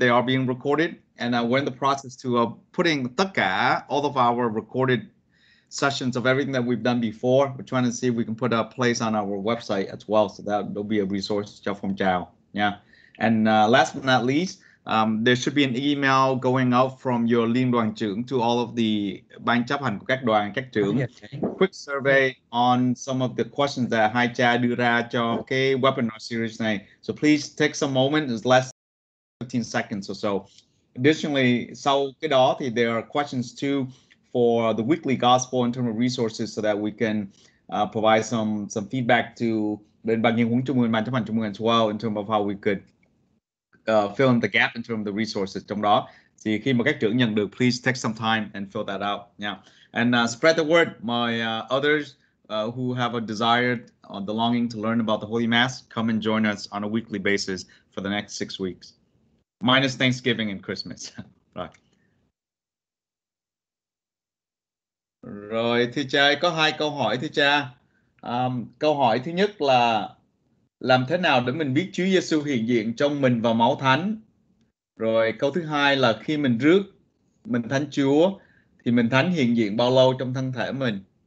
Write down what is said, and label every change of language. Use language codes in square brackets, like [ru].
[en] They are being recorded, and we're in the process to putting [vi] tất cả, [en] all of our recorded sessions of everything that we've done before. We're trying to see if we can put a place on our website as well, so that will be a resource. Jeff from Jiao, yeah. And last but not least, there should be an email going out from your Liên Đoàn Trưởng to all of the Ban Chấp Hành [vi] của các đoàn, các trưởng. [en] Quick survey on some of the questions that Hai Cha [vi] đưa ra cho cái [en] webinar series [vi] này. [en] So please take some moment, it's less than 15 seconds or so. Additionally, [vi] sau cái đó thì [en] there are questions too for the weekly gospel in terms of resources so that we can provide some feedback to Liên Ban Nhân Huấn Trung ương, Ban Chấp Hành Trung ương as well in terms of how we could fill in the gap in terms of the resources. [vi] Trong đó, thì khi mà các trưởng nhận được, [en] please take some time and fill that out. Yeah, and spread the word. My others who have a desire or the longing to learn about the Holy Mass, come and join us on a weekly basis for the next 6 weeks, minus Thanksgiving and Christmas. Right. [vi] Rồi, thưa cha, có hai câu hỏi thưa cha. Câu hỏi thứ nhất là làm thế nào để mình biết Chúa Giêsu hiện diện trong mình và máu thánh? Rồi câu thứ hai là khi mình rước mình thánh Chúa thì mình thánh hiện diện bao lâu trong thân thể mình?